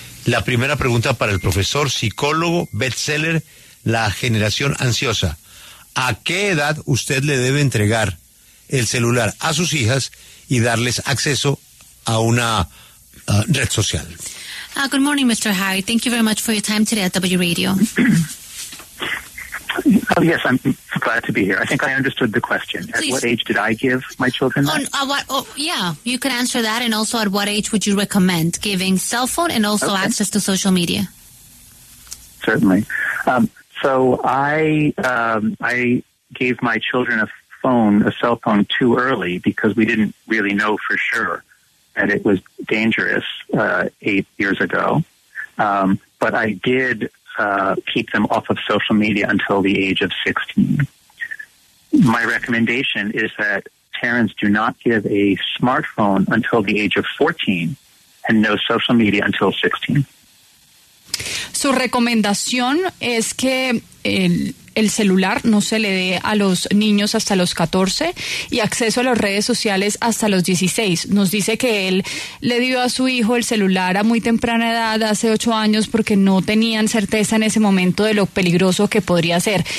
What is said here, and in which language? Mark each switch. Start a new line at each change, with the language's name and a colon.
Spanish: La primera pregunta para el profesor, psicólogo, bestseller, La generación ansiosa. ¿A qué edad usted le debe entregar el celular a sus hijas y darles acceso a una red social?
English: Good morning, Mr. Harry. Thank you very much for your time today at W Radio. Oh, yes, I'm glad to be here. I think I understood the question. Please. At what age did I give my children that? You could answer that. And also, at what age would you recommend giving cell phone and also access to social media? Certainly. I gave my children a cell phone too early because we didn't really know for sure that it was dangerous 8 years ago. But I did keep them off of social media until the age of 16. My recommendation is that parents do not give a smartphone until the age of 14 and no social media until 16.
Spanish: Su recomendación es que el celular no se le dé a los niños hasta los 14 y acceso a las redes sociales hasta los 16. Nos dice que él le dio a su hijo el celular a muy temprana edad, hace 8 años, porque no tenían certeza en ese momento de lo peligroso que podría ser.